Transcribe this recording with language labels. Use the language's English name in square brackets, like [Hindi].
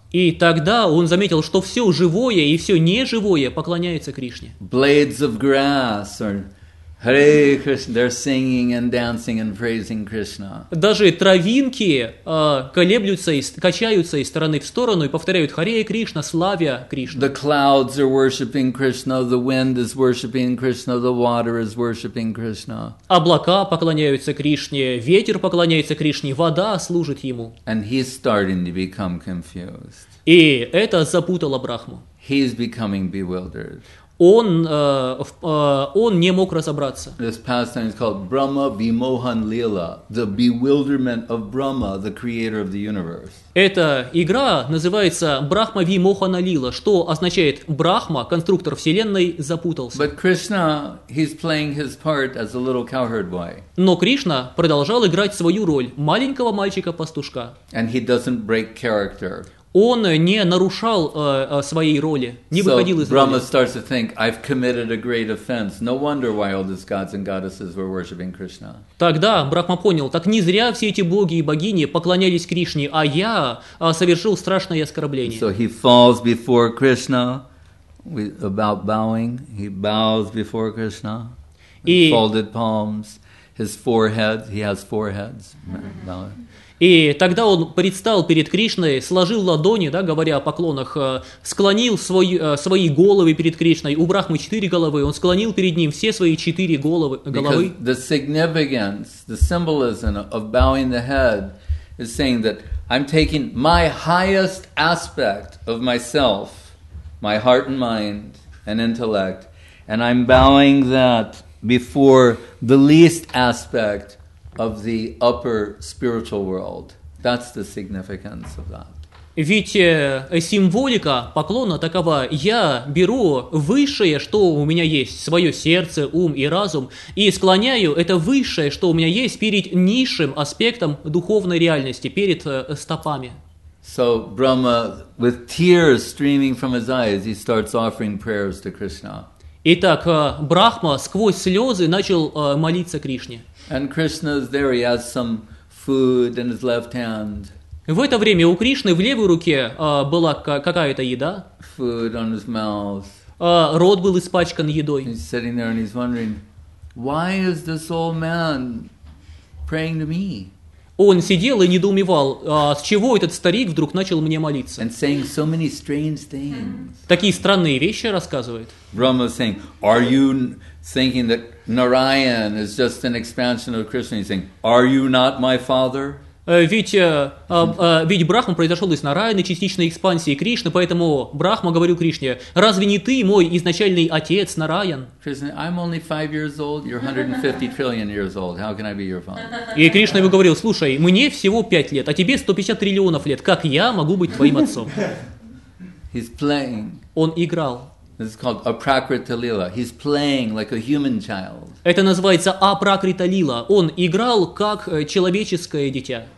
[Russian] И тогда он заметил, что все живое и все неживое поклоняется Кришне. [English] Blades of grass or Hare Krishna, they're singing and dancing and praising Krishna. [Russian] Даже травинки колеблются и качаются из стороны в сторону и повторяют Харе Кришна, славя Кришну. [English] The clouds are worshiping Krishna, the wind is worshiping Krishna, the water is worshiping Krishna. [Russian] Облака поклоняются Кришне, ветер поклоняется Кришне, вода служит ему. [English] And he's starting to become confused. [Russian] И это запутало Брахму. [English] He's becoming bewildered. [Russian] он не мог разобраться. [English] This pastime is called Brahma Vimohan Lila, the bewilderment of Brahma, the creator of the universe. [Russian] Эта игра называется Брахма Вимохана Лила, что означает Брахма, конструктор вселенной, запутался. [English] But Krishna, he's playing his part as a little cowherd boy. [Russian] Но Кришна продолжал играть свою роль маленького мальчика-пастушка. [English] And he doesn't break character. [Russian] Он не нарушал своей роли, не выходил из Брахма роли. [English] Starts to think, I've committed a great offense. No wonder why all these gods and goddesses were worshiping Krishna. [Russian] Тогда Брахма понял, так не зря все эти боги и богини поклонялись Кришне, а я совершил страшное оскорбление. [English] So he falls before Krishna, about bowing. He bows before Krishna, with folded palms, his forehead. He has foreheads. [Russian] И тогда он предстал перед Кришной, сложил ладони, да, говоря о поклонах, склонил свои головы перед Кришной. У Брахмы четыре головы, он склонил перед ним все свои четыре головы. [English] The significance, the symbolism of bowing the head is saying that I'm taking my highest aspect of myself, my heart and mind and intellect, and I'm bowing that before the least aspect of the upper spiritual world. That's the significance of that. [Russian] Ведь символика поклона такова: я беру высшее, что у меня есть, свое сердце, ум и разум, и склоняю это высшее, что у меня есть, перед низшим аспектом духовной реальности, перед стопами. [English] So Brahma, with tears streaming from his eyes, he starts offering prayers to Krishna. [Russian] Итак, Брахма сквозь слезы начал молиться Кришне. [English] And Krishna is there, he has some food in his left hand. [Russian] В это время у Кришны в левой руке была какая-то еда. [English] Food on his mouth. [Russian] Рот был испачкан едой. [English] He's sitting there and he's wondering, why is this old man praying to me? [Russian] Он сидел и недоумевал, с чего этот старик вдруг начал мне молиться. [English] And saying so many strange things. [Russian] Такие странные вещи рассказывает. [English] Brahma is saying, are you thinking that Narayan is just an expansion of Krishna? He's saying, are you not my father? [Russian] Ведь Брахма произошел из Нараяны, частичной экспансии Кришны, поэтому Брахма говорил Кришне, разве не ты мой изначальный отец, Нараян? [English] Krishna, I'm only 5 years old, you're 150 trillion years old, how can I be your father? [Russian] И Кришна ему говорил, слушай, мне всего 5 лет, а тебе 150 триллионов лет, как я могу быть твоим отцом? [English] He's playing. [Russian] Он играл. [English] This is called Aprakrita Lila. He's playing like a human child. [Russian] Это называется Апракрита Лила. Он играл как человеческое дитя.